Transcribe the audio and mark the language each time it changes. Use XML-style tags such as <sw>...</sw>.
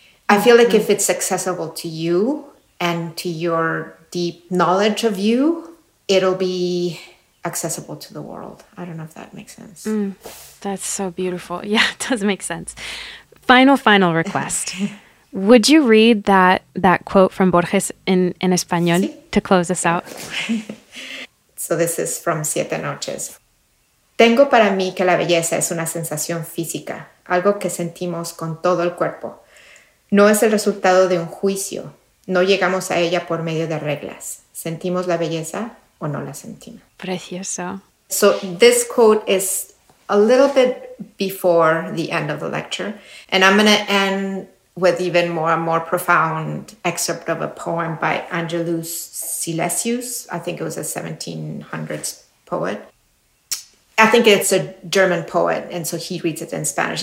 <en>I feel like if it's accessible to you and to your deep knowledge of you, it'll be accessible to the world. I don't know if that makes sense. Mm, that's so beautiful. Yeah, it does make sense. Final request. Would you read that quote from Borges in Espanol to close us out? So this is from Siete Noches.</en> <es>Tengo para mí que la belleza es una sensación física, algo que sentimos con todo el cuerpo. No es el resultado de un juicio. No llegamos a ella por medio de reglas. Sentimos la belleza o no la sentimos. Precioso.</es> <en>So this quote is a little bit before the end of the lecture. And I'm going to end with even more profound excerpt of a poem by Angelou Silesius. I think it was a 1700s poet. I think it's a German poet, and so he reads it in Spanish.</en>